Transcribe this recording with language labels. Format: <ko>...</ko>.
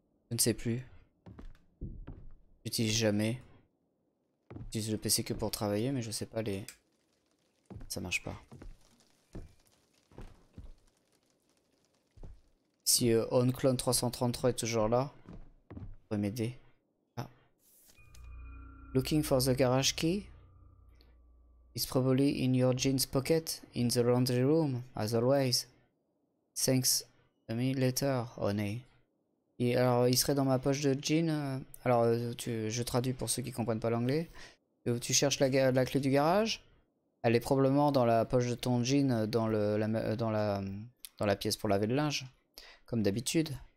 <fr>Je ne sais plus. J'utilise jamais. J'utilise le PC que pour travailler, mais je sais pas les. Ça marche pas. Si OnClone 333 est toujours là, pourrait m'aider.</fr> <en>Looking for the garage key? It's probably in your jeans pocket, in the laundry room, as always. Thanks a mille letters, Honey.</en> <fr>Et alors, il serait dans ma poche de jean. Alors, je traduis pour ceux qui comprennent pas l'anglais. Tu cherches la clé du garage? Elle est probablement dans la poche de ton jean, dans la pièce pour laver le linge, comme d'habitude.</fr>